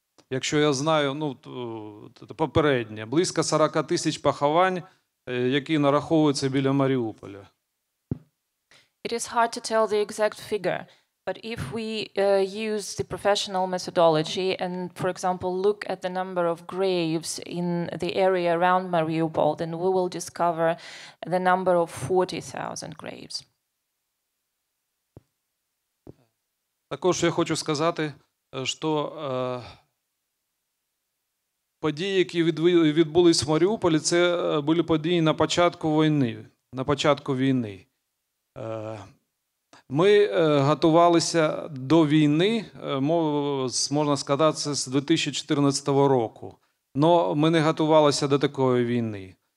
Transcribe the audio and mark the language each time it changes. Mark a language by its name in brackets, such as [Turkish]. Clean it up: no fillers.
[Ukrainian] Якщо я знаю, ну, попереднє, близько 40 тисяч поховань, які нараховуються біля Маріуполя. [English] It is hard to tell the exact figure, but if we use the professional methodology and, for example, look at the number of graves in the area around Mariupol, then we will discover the number of 40,000 graves. [Ukrainian] Також я хочу сказати, що події, які відбулись в Маріуполі, це були події на початку війни, на початку війни. Ми готувалися до війни, можна сказати, з 2014 року, але ми не готувалися до такої війни.